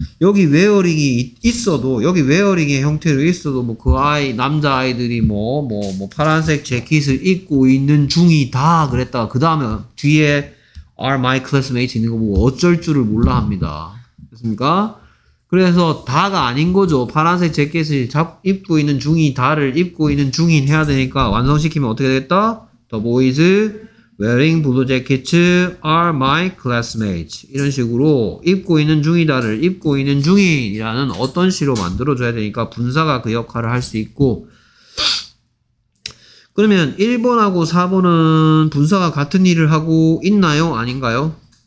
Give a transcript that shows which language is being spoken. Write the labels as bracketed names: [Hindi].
[Korean] 여기 웨어링이 있어도, 여기 웨어링의 형태로 있어도, 뭐, 그 아이, 남자 아이들이 뭐, 파란색 재킷을 입고 있는 중이다, 그랬다가, 그 다음에 뒤에 [English] are my classmates [Korean] 있는 거 보고 어쩔 줄을 몰라 합니다. 됐습니까? 그래서 다가 아닌 거죠. 파란색 재킷을 입고 있는 중이 다를 입고 있는 중인 해야 되니까 완성시키면 어떻게 되겠다? [English] The boys wearing blue jackets are my classmates. [Korean] 이런 식으로 입고 있는 중이다를 입고 있는 중인이라는 어떤 시로 만들어줘야 되니까 분사가 그 역할을 할 수 있고. 그러면 1번하고 4번은 분사가 같은 일을 하고 있나요? 아닌가요?